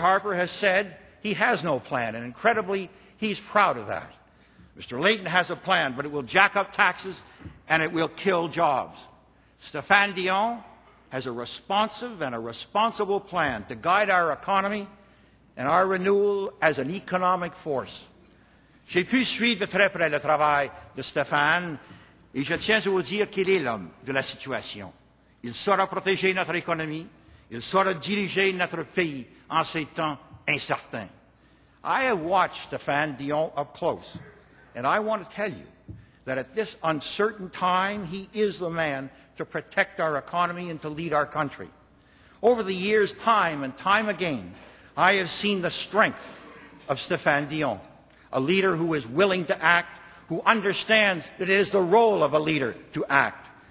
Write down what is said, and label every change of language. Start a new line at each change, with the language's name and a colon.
English: Harper has said he has no plan, and incredibly, he's proud of that. Mr. Layton has a plan, but it will jack up taxes and it will kill jobs. Stéphane Dion has a responsive and a responsible plan to guide our economy and our renewal as an economic force.
French: Je peux suivre très près le travail de Stéphane et je tiens à vous dire qu'il est l'homme de la situation. Il saura protéger notre économie, il saura diriger notre pays en ces temps incertains.
English: I have watched Stéphane Dion up close, and I want to tell you that at this uncertain time, he is the man to protect our economy and to lead our country. Over the years, time and time again, I have seen the strength of Stéphane Dion, a leader who is willing to act, who understands that it is the role of a leader to act.